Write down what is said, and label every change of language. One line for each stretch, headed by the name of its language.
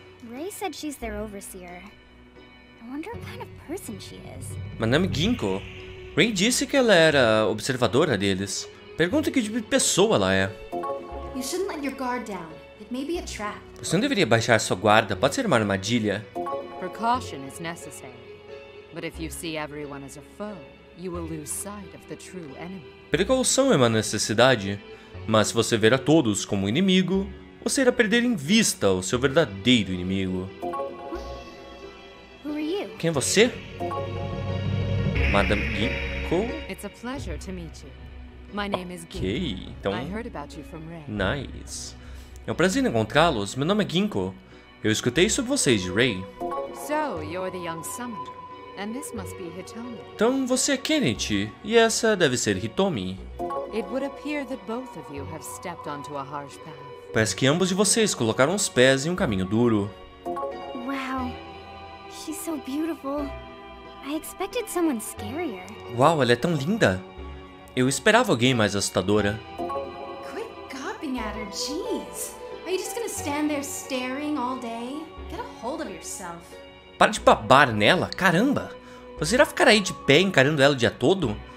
English: Ray said she's their overseer. I wonder what kind of person she is. Madame Ginkgo.
Portuguese: Ray disse que ela era observadora deles. Pergunta que tipo de pessoa ela é.
English: You shouldn't let your guard down. It may be a trap.
Portuguese: Você não deveria baixar sua guarda. Pode ser uma armadilha.
English: Precaution is necessary. But if you see everyone as a foe, you will lose sight of the true enemy.
Portuguese: Precaução é uma necessidade, mas se você ver a todos como inimigo, você irá perder em vista o seu verdadeiro inimigo. Quem é você? Madame Ginkgo?
English: It's a pleasure to meet you. My name is Ginkgo.
Portuguese: Okay, então...
English: I heard about you from Ray. Nice.
Portuguese: É um prazer encontrá-los. Meu nome é Ginkgo. Eu escutei sobre vocês de Ray.
English: So, you're the young summoner. And this must be Hitomi.
Portuguese: Então você é Kennet, e essa deve ser Hitomi.
English: It would appear that both of you have stepped onto a harsh path.
Portuguese: Parece que ambos de vocês colocaram os pés em um caminho duro.
English: Wow, she's so beautiful. I expected someone scarier.
Portuguese: Uau, ela é tão linda. Eu esperava alguém mais assustadora.
English: Quit gawping at her, jeez. Are you just gonna stand there staring all day? Get a hold of yourself.
Portuguese: Para de babar nela, caramba. Você irá ficar aí de pé encarando ela o dia todo?